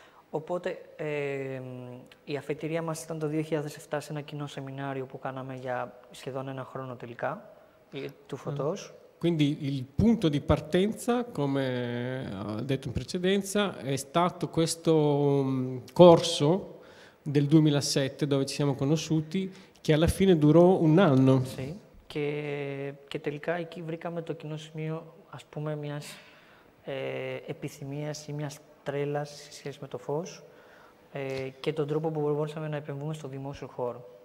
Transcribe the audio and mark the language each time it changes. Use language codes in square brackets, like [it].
[el] Οπότε η αφετηρία μας ήταν το 2007 σε ένα κοινό σεμινάριο που κάναμε για σχεδόν ένα χρόνο τελικά, του Φωτός. [it] Quindi il punto di partenza, come detto in precedenza, è stato questo corso del 2007 dove ci siamo conosciuti, che alla fine durò un anno. Sì, che [el] τελικά εκεί βρήκαμε το κοινό σημείο, ας πούμε, μιας επιθυμίας ή μιας τρέλας σε σχέση με το φως και τον τρόπο που μπορούσαμε να επεμβούμε στο δημόσιο χώρο.